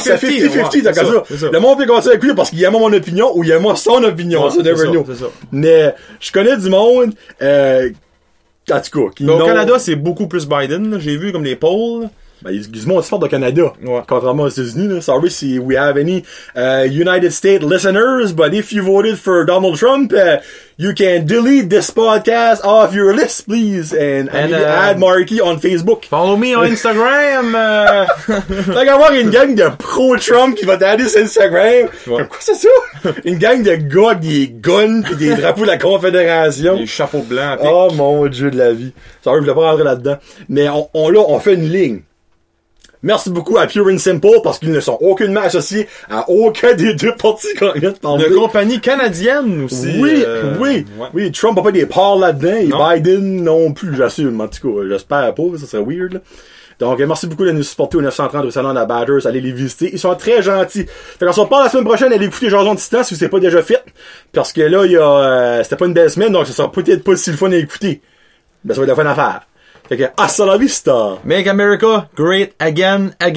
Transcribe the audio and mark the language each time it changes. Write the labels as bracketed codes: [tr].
[fr] C'est 50-50, ouais, c'est ça. Le monde peut commencer à parce qu'il aime mon opinion ou il aime son opinion. Ouais, c'est [en] never [fr] ça, [en] know. [fr] C'est ça. Mais je connais du monde... en tout cas, qui au Canada, c'est beaucoup plus Biden. Là. J'ai vu comme les polls... Ben, ils se montrent fort de Canada. Ouais. Contrairement aux États-Unis, là. [en] Sorry si we have any, United States listeners, but if you voted for Donald Trump, you can delete this podcast off your list, please. And add Marky on Facebook. Follow me on Instagram, [fr] Fait qu'avoir une gang de pro-Trump qui va t'aider sur Instagram. Ouais. Quoi, c'est ça? Une gang de gars avec des guns pis des drapeaux de la Confédération. Des chapeaux blancs. Oh mon Dieu de la vie. Sorry, je voulais pas rentrer là-dedans. Mais on fait une ligne. Merci beaucoup à Pure and Simple parce qu'ils ne sont aucunement associés à aucun des deux partis qu'on vient de parler. De compagnie canadienne aussi. Oui, oui. Trump n'a pas des parts là-dedans et non. Biden non plus, j'assume. En tout cas, j'espère pas, ça serait weird. Là. Donc, merci beaucoup de nous supporter au 930 Rue Saint-Laurent à Badgers. Allez les visiter. Ils sont très gentils. Fait qu'on se reparle la semaine prochaine. Allez écouter Jason Titan si vous n'êtes pas déjà fait. Parce que là, c'était pas une belle semaine, donc ça sera peut-être pas si le fun à écouter. Ben, ça va être la fun à faire. Fait que, [es] hasta la vista! [en] Make America great again.